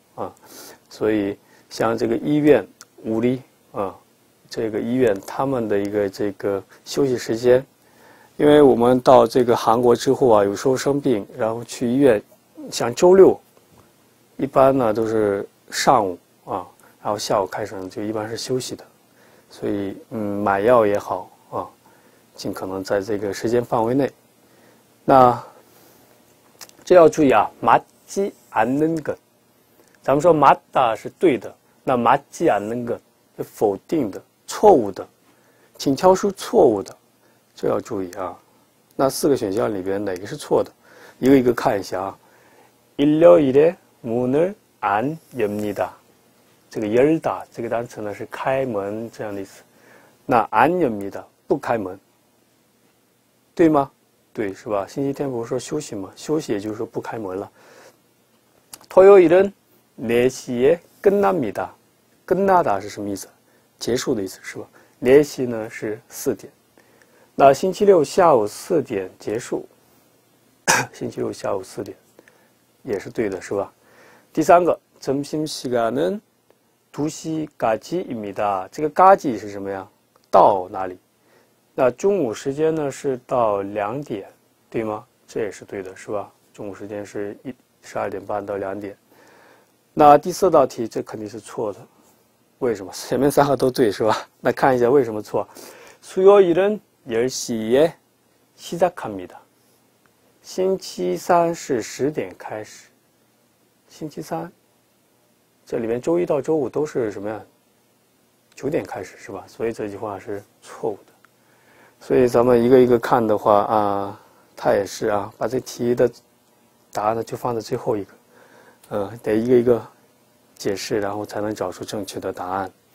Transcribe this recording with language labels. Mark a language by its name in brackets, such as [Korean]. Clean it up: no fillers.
[Chinese] 啊，所以像这个医院， [Korean] 우리 [Chinese] 啊，这个医院他们的一个这个休息时间，因为我们到这个韩国之后啊，有时候生病，然后去医院，像周六，一般呢都是上午啊，然后下午开始呢就一般是休息的，所以买药也好啊，尽可能在这个时间范围内，那这要注意啊， [Korean] 맞지않는것。 [Chinese] 咱们说 [Korean] "맞다" [Chinese] 是对的，那 [Korean] "맞지 않는 것" [Chinese] 是否定的、错误的，请挑出错误的，这要注意啊。那4个选项里边哪个是错的？一个一个看一下啊。 [Korean] 일요일에 문을 안 엽니다。 [Chinese] 这个 [Korean] "열다" [Chinese] 这个单词呢是开门这样的意思。那 [Korean] "안 엽니다" [Chinese] 不开门，对吗？对，是吧？星期天不是说休息吗？休息也就是说不开门了。 [Korean] 토요일은 4시에 끝납니다. 끝나다 [Chinese] 是什么意思？ 结束的意思是吧？ 4시呢是4点，那星期六下午4点结束，星期六下午4点也是对的，是吧？第三个， [Korean] 점심시간은2시까지입니다. [Chinese] 这个"까지"是什么呀？ 到哪里？那中午时间呢是到2点，对吗？这也是对的，是吧？中午时间是12点半到2点。那第四道题，这肯定是错的，为什么？前面三个都对是吧？那看一下为什么错？ [Korean] 수요일은 10시에 시작합니다。 [Chinese] 星期三是10点开始，星期三，这里面周一到周五都是什么呀？9点开始是吧？所以这句话是错误的。所以咱们一个一个看的话啊，它也是啊，把这题的答案呢就放在最后一个，得一个一个解释，然后才能找出正确的答案。